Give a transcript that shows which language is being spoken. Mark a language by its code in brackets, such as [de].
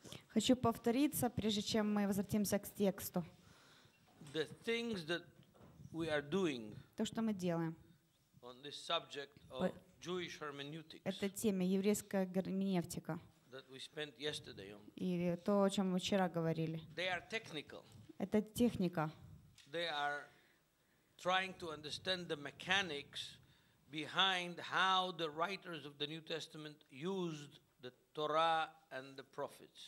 [ru] Хочу повториться, прежде чем мы возвратимся к тексту. [en] The things that we are doing. [ru] То, что мы делаем. [en] On this subject of Jewish hermeneutics. [ru] Это тема еврейская герменевтика. [en] That we spent yesterday on. [ru] И то, о чем мы вчера говорили. [en] They are technical. [ru] Это техника. [en] They are trying to understand the mechanics behind how the writers of the New Testament used the Torah and the prophets.